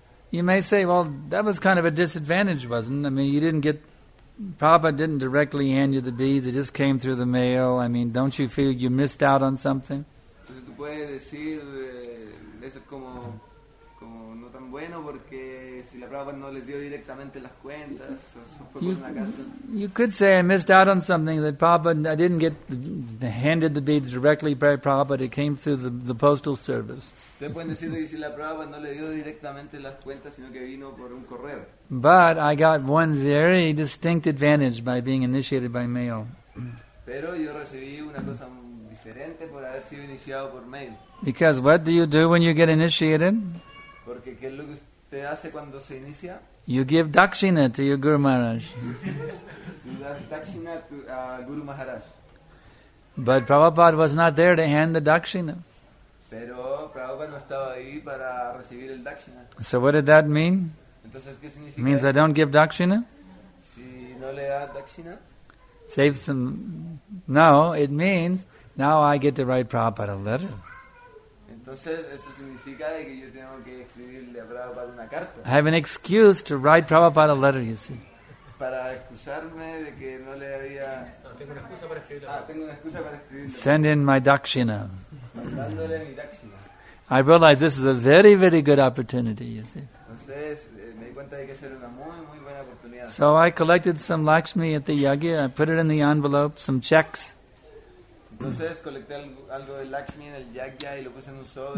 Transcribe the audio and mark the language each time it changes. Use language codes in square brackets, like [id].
[en] You may say, well, that was kind of a disadvantage, wasn't it? I mean, you didn't get... Prabhupada didn't directly hand you the beads, it just came through the mail. I mean, don't you feel you missed out on something? [es] Entonces tú puedes decir, eso es como no tan bueno porque si la Prabhupada no les dio directamente las cuentas, eso fue por una carta. [en] You could say I missed out on something, that Prabhupada, I didn't get handed the beads directly by Prabhupada, it came through the postal service. [es] Ustedes pueden decir que si la Prabhupada no le dio directamente las cuentas, sino que vino por un correo. [en] But I got one very distinct advantage by being initiated by mail. [es] Pero yo recibí una cosa diferente por haber sido iniciado por mail. [en] Because what do you do when you get initiated? [es] Porque ¿qué es lo que usted hace cuando se inicia? [en] You give dakshina to your Guru Maharaj. You give dakshina to Guru Maharaj. But Prabhupada was not there to hand the dakshina. [es] Pero Prabhupada no estaba ahí para recibir el dakshina. [en] So what did that mean? It means [es] eso? [en] I don't give dakshina? [es] Si no le da dakshina? [en] Save some... No, it means now I get to write Prabhupada a letter. [es] Entonces, eso significa de que yo tengo que escribirle a Prabhupada una carta. [en] I have an excuse to write Prabhupada a letter, you see. [es] Para excusarme de que no le había... Tengo una excusa para escribirle. Ah, tengo una excusa para escribirle. [en] Send in my dakshina. [es] Mandándole mi dakshina. [en] I realize this is a very, very good opportunity, you see. [es] Entonces, me di cuenta de que era una muy, muy buena oportunidad. [en] So I collected some Lakshmi at the yagya. I put it in the envelope, some checks. [es] Entonces colecté algo de Lakshmi en el yagya y lo puse en un sobre.